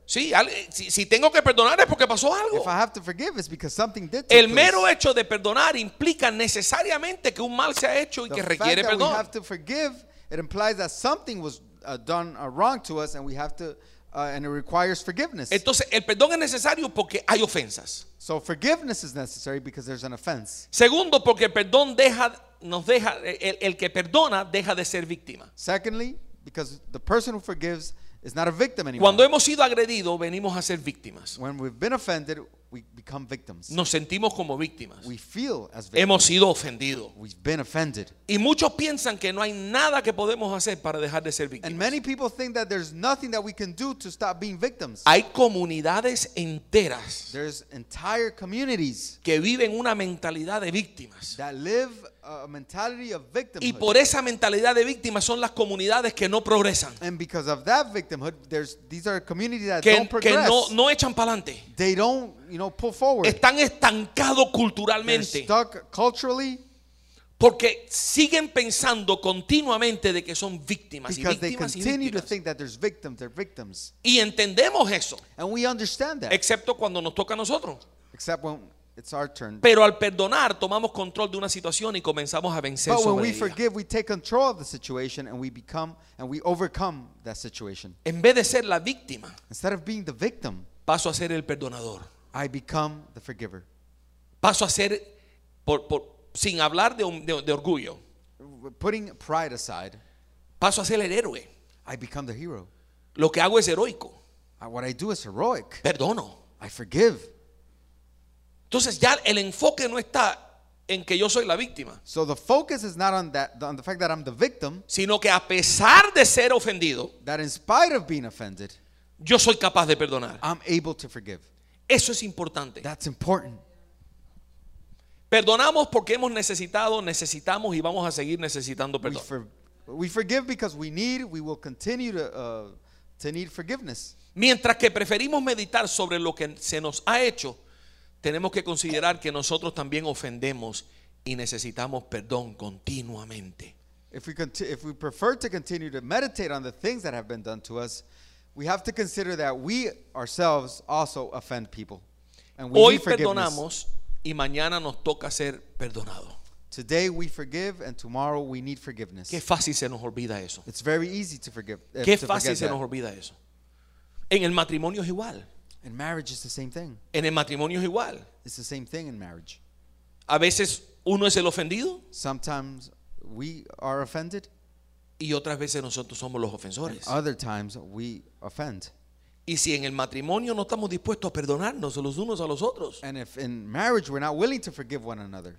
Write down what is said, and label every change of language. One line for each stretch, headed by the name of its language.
Spanish: Sí, si tengo que perdonar es porque pasó algo.
English: If I have to forgive, it's because something did take place.
Spanish: El mero hecho de perdonar implica necesariamente que un mal se ha hecho y que requiere perdón.
English: The fact that we have to forgive, it implies that something was done wrong to us and we have to... And it requires forgiveness.
Spanish: Entonces, el perdón es necesario porque hay ofensas.
English: So forgiveness is necessary because there's an offense.
Spanish: Segundo, porque el perdón deja, nos deja, el que perdona deja de ser víctima.
English: Secondly, because the person who forgives is not a victim anymore.
Spanish: Cuando hemos sido agredidos, venimos a ser víctimas.
English: When we've been offended, we become victims.
Spanish: Nos sentimos como víctimas.
English: We feel as victims.
Spanish: Hemos sido ofendidos.
English: We've been offended.
Spanish: Y muchos piensan que no hay nada que podemos hacer para dejar de ser víctimas.
English: And many people think that there's nothing that we can do to stop being victims.
Spanish: Hay comunidades enteras.
English: There's entire communities
Spanish: que viven una mentalidad de víctimas.
English: That live a mentality of victimhood.
Spanish: Y por esa mentalidad de víctimas son las comunidades que no progresan.
English: And because of that victimhood, these are communities that
Spanish: que,
English: don't progress.
Spanish: Que no echan pa'lante.
English: They don't, you know, pull forward.
Spanish: Están estancados culturalmente.
English: They're stuck culturally.
Spanish: Porque siguen pensando continuamente de que son víctimas.
English: Because
Spanish: y víctimas
English: they continue
Spanish: y víctimas.
English: To think that there's victims, they're victims.
Spanish: Y entendemos eso.
English: And we understand that.
Spanish: Excepto cuando nos toca a nosotros.
English: Except when it's our turn.
Spanish: Pero al perdonar tomamos control de una situación y comenzamos a vencer sobre ella.
English: But when we forgive, we take control of the situation and we become and we overcome that situation.
Spanish: En vez de ser la víctima,
English: instead of being the victim,
Spanish: paso a ser el perdonador.
English: I become the forgiver.
Spanish: Paso a ser por sin hablar de orgullo.
English: Putting pride aside,
Spanish: paso a ser el héroe.
English: I become the hero.
Spanish: Lo que hago es heroico.
English: What I do is heroic.
Spanish: Perdono.
English: I forgive.
Spanish: Entonces ya el enfoque no está en que yo soy la víctima.
English: So the focus is not on that, on the fact that I'm the victim,
Spanish: sino que a pesar de ser ofendido,
English: that in spite of being offended,
Spanish: yo soy capaz de perdonar.
English: I'm able to forgive.
Spanish: Eso es importante.
English: That's important.
Spanish: Perdonamos porque hemos necesitado, necesitamos y vamos a seguir necesitando perdón.
English: We forgive because we need, we will continue to need forgiveness.
Spanish: Mientras que preferimos meditar sobre lo que se nos ha hecho, tenemos que considerar que nosotros también ofendemos y necesitamos perdón continuamente.
English: If we prefer to continue to meditate on the things that have been done to us, we have to consider that we ourselves also offend people. And we
Spanish: hoy perdonamos y mañana nos toca ser perdonado.
English: Today we forgive and tomorrow we need forgiveness.
Spanish: Qué fácil se nos olvida eso.
English: It's very easy to forgive.
Spanish: Qué fácil se nos olvida eso. En el matrimonio es igual.
English: In marriage is the same thing.
Spanish: En el matrimonio es igual.
English: It's the same thing in marriage.
Spanish: A veces uno es el ofendido.
English: Sometimes we are offended.
Spanish: Y otras veces nosotros somos los ofensores.
English: And other times we offend.
Spanish: Y si en el matrimonio no estamos dispuestos a perdonarnos los unos a los otros,
English: and if in marriage we're not willing to forgive one another,